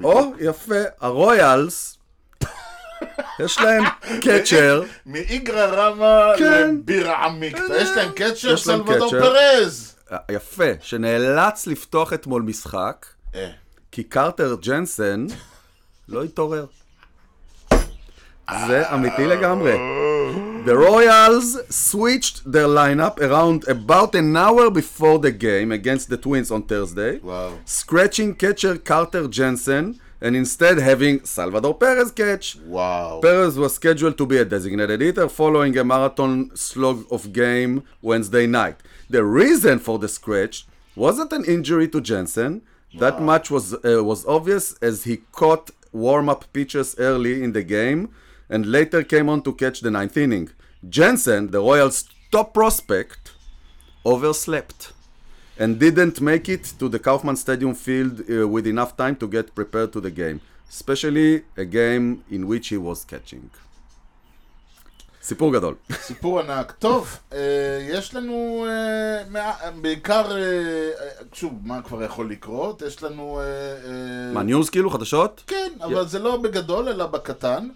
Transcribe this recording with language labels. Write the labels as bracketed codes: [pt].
[he] או, יפה, הרויאלס. יש להם קצ'ר. מאיגרא רמה לבירה עמיקתא. יש להם קצ'ר, סלוודור פרז. יפה, שנאלץ לפתוח אתמול משחק, כי קרטר ג'נסן לא התעורר. זה אמיתי לגמרי. [en] The Royals switched their lineup around about an hour before the game against the Twins on Thursday, scratching catcher קרטר ג'נסן, and instead having Salvador Perez catch. Wow. Perez was scheduled to be a designated hitter following a marathon slog of game Wednesday night. The reason for the scratch wasn't an injury to Jensen. That match was obvious as he caught warm-up pitches early in the game and later came on to catch the ninth inning. Jensen, the Royals' top prospect, overslept. And didn't make it to the Kauffman Stadium field with enough time to get prepared to the game. Especially a game in which he was catching. [he] סיפור גדול. סיפור ענק. טוב, יש לנו בעיקר, שוב, מה כבר יכול לקרות? יש לנו... מה, ניוז כאילו? חדשות? כן, אבל זה לא בגדול, אלא בקטן.